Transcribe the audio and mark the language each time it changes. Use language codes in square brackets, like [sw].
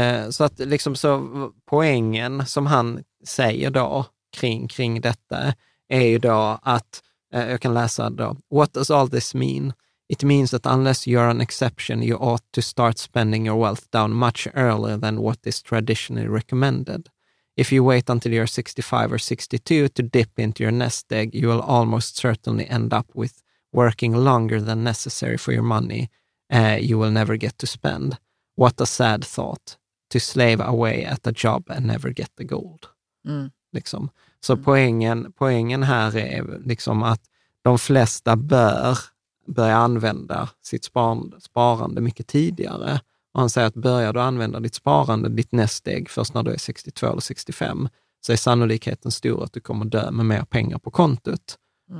[sv] Så att liksom, så poängen som han säger då kring detta är ju då att, jag kan läsa då. [en] What does all this mean? It means that unless you're an exception, you ought to start spending your wealth down much earlier than what is traditionally recommended. If you wait until you're 65 or 62 to dip into your nest egg, you will almost certainly end up with working longer than necessary for your money you will never get to spend. What a sad thought to slave away at a job and never get the gold. Mm. [sv] Liksom. Så poängen här är liksom att de flesta bör börja använda sitt sparande mycket tidigare. Och han säger att börjar du använda ditt sparande, ditt nästeg, först när du är 62 eller 65, så är sannolikheten stor att du kommer dö med mer pengar på kontot. Mm.